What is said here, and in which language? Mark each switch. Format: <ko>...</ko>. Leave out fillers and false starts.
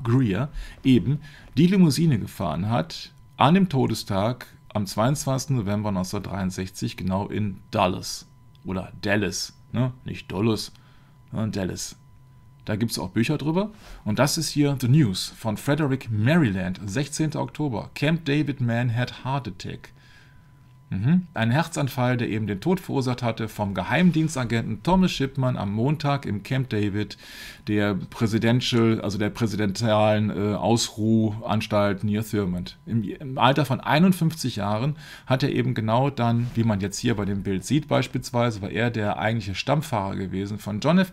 <de>Greer, eben die Limousine gefahren hat an dem Todestag am 22. November 1963, genau in Dallas oder Dallas. Ne? Nicht Dulles, sondern Dallas. Da gibt es auch Bücher drüber. Und das ist hier The News von Frederick Maryland, 16. Oktober.</de> <en>Camp David Man had Heart Attack.</en> <de>Ein Herzanfall, der eben den Tod verursacht hatte vom Geheimdienstagenten Thomas Shipman am Montag im Camp David, der Presidential, also der präsidentialen Ausruhanstalt</de> <en>near Thurmond.</en> <de>Im Alter von 51 Jahren hat er eben genau dann, wie man jetzt hier bei dem Bild sieht beispielsweise, war er der eigentliche Stammfahrer gewesen von John F.</de>